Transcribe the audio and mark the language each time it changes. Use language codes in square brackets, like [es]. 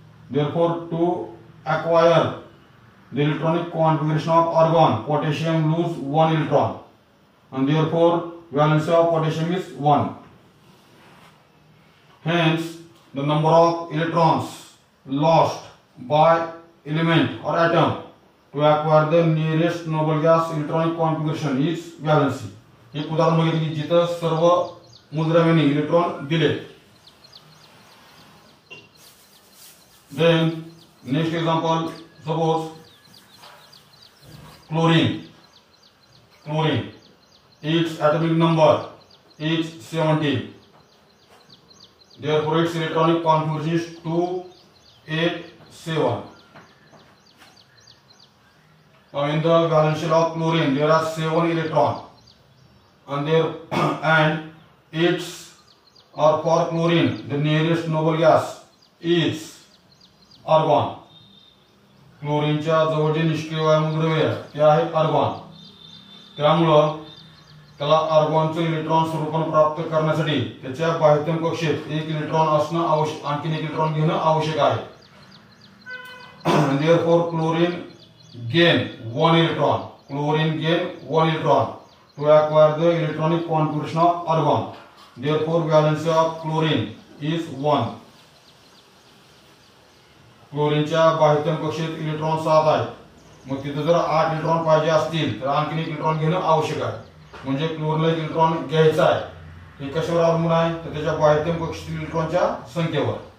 [en] Therefore to acquire the electronic configuration of argon, potassium loses 1 electron, and therefore valence of potassium is 1. Hence the number of electrons lost by element or atom to acquire the nearest noble gas electronic configuration is valency. [mr] एक उदाहरण बघितले की जिथं सर्व मूलद्रव्यांनी electron दिले. [en] Then next example suppose chlorine. Chlorine it's atomic number is 17. Therefore, its electronic configuration is 2 8 7. Now, in the valence shell of chlorine, there are 7 electrons. and their and its or for chlorine, the nearest noble gas is argon. [mr] Chlorine जवळचे निष्क्रिय वायू द्रव्य हे आहे argon. त्यामुळे त्याला argonचे electron स्वरूपण प्राप्त करण्यासाठी त्याच्या बाह्यतम कक्षेत एक इलेक्ट्रॉन असणे आवश्यक आणखी एक इलेक्ट्रॉन घेणे आवश्यक आहे. [en] Therefore, chlorine gain one electron. Chlorine gain one electron to acquire the electronic configuration of argon. Therefore, valence of chlorine is one. [mr] Chlorine-च्या बाह्यतम कक्षेत इलेक्ट्रॉन 7 आहेत. मग तिथे जर 8 इलेक्ट्रॉन पाहिजे असतील तर आणखी एक इलेक्ट्रॉन घेणे आवश्यक आहे. म्हणजे क्लोरीनला इलेक्ट्रॉन घ्यायचा आहे हे कशावर अवलंबून आहे तर त्याच्या बाह्यतम कक्षेतील इलेक्ट्रॉनच्या संख्येवर.